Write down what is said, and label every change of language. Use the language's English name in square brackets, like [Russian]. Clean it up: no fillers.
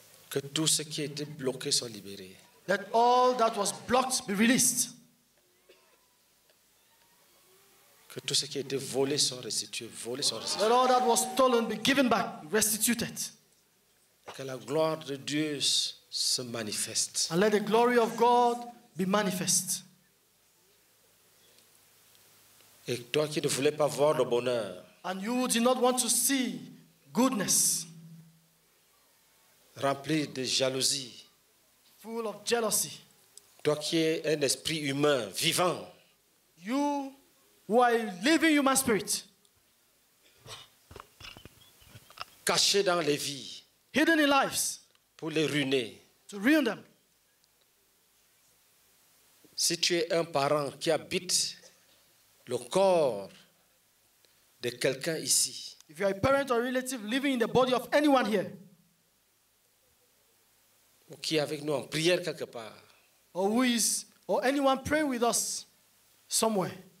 [French] Que tout ce qui était bloqué soit libéré. [English] Let all that was blocked be released. [French] Que tout ce qui était volé soit restitué, volé soit restitué. [English] Let all that was stolen be given back, restituted. [French] Que la gloire de Dieu se manifeste. [English] And let the glory of God be manifest. [French] Et toi qui ne voulais pas voir le bonheur. [English] And you did not want to see goodness. [French] Rempli de jalousie. [English] Full of jealousy. [French] Toi qui es un esprit humain vivant. [English] You who are living human spirit. [French] Caché dans les vies. [English] Hidden in lives. [French] Pour les ruiner. [English] To ruin them. [French] Si tu es un parent qui habite le corps de quelqu'un ici. [English] If you are a parent or relative living in the body of anyone here. [French] Ou qui est avec nous en prière quelque part. [English] Or who is, or anyone pray with us somewhere.